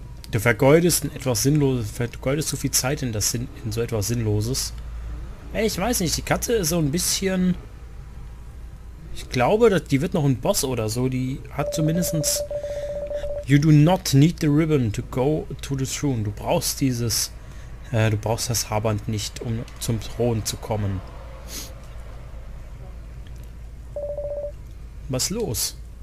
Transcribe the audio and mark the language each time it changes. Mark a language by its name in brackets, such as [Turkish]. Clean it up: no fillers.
[German] Du vergeudest in etwas Sinnloses, vergeudest so viel Zeit in das in so etwas Sinnloses. Ey, ich weiß nicht, die Katze ist so ein bisschen. Ich glaube, die wird noch ein Boss oder so. Die hat zumindest. [English] You do not need the ribbon to go to the throne. [German] Du brauchst dieses. Du brauchst das Haarband nicht, um zum Thron zu kommen. Was los?